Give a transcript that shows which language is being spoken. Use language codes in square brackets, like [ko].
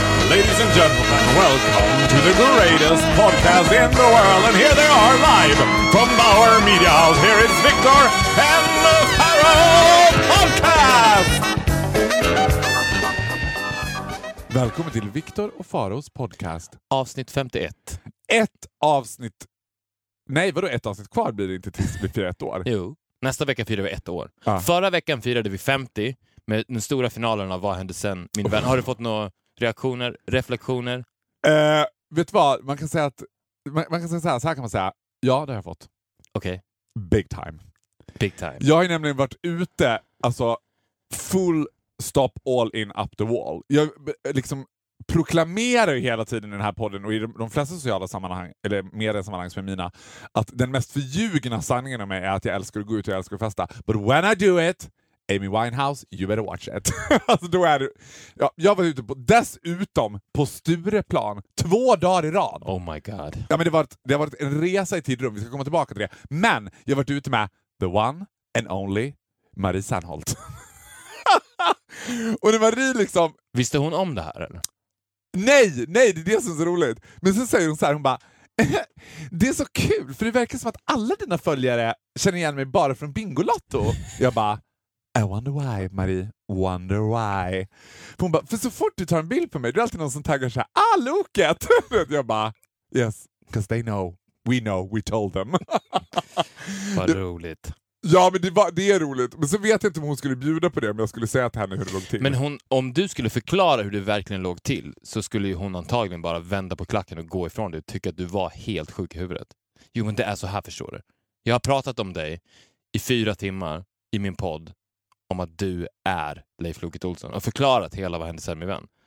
[en] Ladies and gentlemen, welcome to the greatest podcast in the world. And here they are live from Bauer Media House. Here is Victor and the Harold Podcast! [sv] Välkommen till Victor och Faros podcast. Avsnitt 51. Ett avsnitt... Nej, vadå ett avsnitt kvar blir det inte tills det blir ett år? Jo. Nästa vecka firar vi ett år. Ah. Förra veckan firade vi 50 med den stora finalen av Vad hände sen, min vän. Har du fått några reaktioner, reflektioner? Vet du vad? Man kan säga att man kan säga så här kan man säga. Ja, det har jag fått. Okej. [en] Okay. Big time. Big time. [sv] Jag har ju nämligen varit ute, alltså [en] full stop all in up the wall. [sv] Jag liksom proklamerar ju hela tiden i den här podden och i de flesta sociala sammanhang, eller mediesammanhang som är mina, att den mest förljugna sanningen om mig är att jag älskar att gå ut och jag älskar att festa. [en] But when I do it, Amy Winehouse, you better watch it. [sv] Alltså då är du... Ja, jag var ute på, dessutom på Stureplan 2 dagar i rad. [en] Oh my god. [sv] Ja, men det har varit en resa i tidrum, vi ska komma tillbaka till det. Men jag har varit ute med [en] the one and only [sv] Marie Serneholt. Och det var Marie liksom... Visste hon om det här eller? Nej, det är det som är så roligt. Men sen säger hon så här, hon bara, det är så kul, för det verkar som att alla dina följare känner igen mig bara från Bingolotto. Jag bara, [en] I wonder why, Marie, wonder why. [sv] För hon bara, för så fort du tar en bild på mig, det är alltid någon som taggar så här, ah, loket. Jag bara, [en] yes, because they know, we told them. [sv] Vad roligt. Ja, men det är roligt. Men så vet jag inte om hon skulle bjuda på det, men jag skulle säga till henne hur det låg till. Men hon, om du skulle förklara hur det verkligen låg till, så skulle ju hon antagligen bara vända på klacken och gå ifrån dig och tycka att du var helt sjuk i huvudet. Jo, men det är så här, förstår du. Jag har pratat om dig i 4 timmar i min podd om att du är Leif Loket Olsson och förklarat hela vad hände sen, min vän.